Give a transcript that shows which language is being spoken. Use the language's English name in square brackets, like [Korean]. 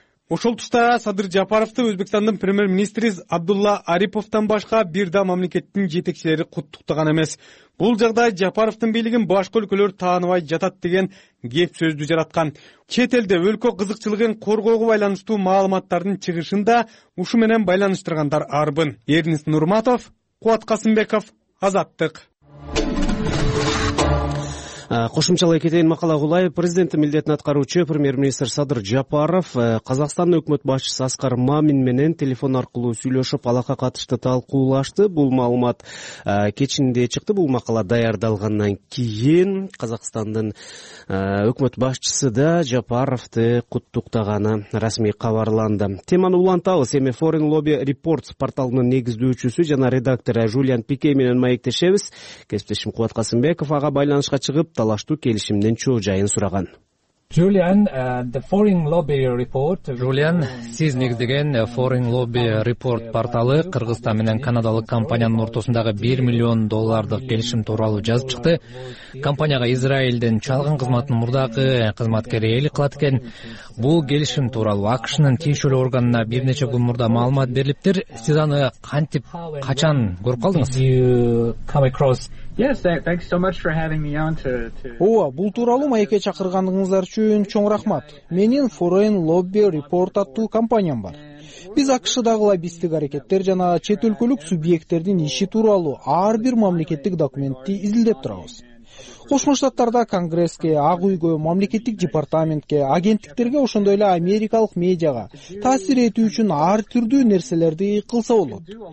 [Kyrgyz] Ошол тушта Садыр Жапаровду Өзбекстандын премьер-министри Абдулла Ариповтон башка бир да мамлекеттин жетекчилери куттуктаган эмес. Бул жагдай Жапаровдун бийлигин башка өлкөлөр тааныбай жатат деген кеп сөздү жараткан. Чет элде өлкө кызыкчылыгын коргоого байланыштуу маалыматтардын чыгышын да ушу менен байланыштыргандар арбын. Эрнис Нурматов, Кубат Касымбеков, Азаттык. Кошумчалай кетейин, Макала Гулаев президенттин милдетин аткаруучу премьер-министр Садыр Жапаров Казакстандын өкмөт башчысы Аскар Мамин менен телефон аркылуу сүйлөшүп алакка катышты талкуулашты. Бул маалымат кечинде чыкты. Бул макала даярдалгандан кийин Казакстандын өкмөт башчысы да Жапаровду куттуктаганы расмий кабарланды. Теманы улантабыз. Эми Foreign Lobby Reports порталынын негиздөөчүсү жана редактору Жулиан Пике менен маектешебиз. Кесиптешим Кубат Касымбеков ага байланышка чыгып талаштуу келишимдин чоо жайын сураган. [English] Julian, the Foreign Lobby Report. [Kyrgyz] Julian, сиз негиздеген Foreign Lobby Report порталы Кыргызстан менен Канадалык компаниянын ортосундагы 1 миллион доллардык келишим тууралуу жазып чыкты. Компанияга Израилдин чалгын кызматынын мурдагы кызматкери ээлик кылат экен. Бул келишим тууралуу АКШнын тиешелүү органына бир нече күн мурда маалымат берилиптир. Сиз аны кантип, качан көрүп калдыңыз? [English] Yes, thanks so much for having me on to [Kyrgyz] Ооба, бул тууралуу маекке чакырганыңыздар үчүн чоң рахмат. Менин Foreign Lobby Report аттуу компаниям бар. Биз АКШ-дагы лоббисттик аракеттер жана чет өлкөлүк субъекттердин иши тууралуу ар бир мамлекеттик документти изилдеп турабыз. Кошмо Штаттарда Конгресске, Ак Үйгө, мамлекеттик департаментке, агенттиктерге, ошондой эле америкалык медиага таасир этүү үчүн ар түрдүү нерселерди кылса болот.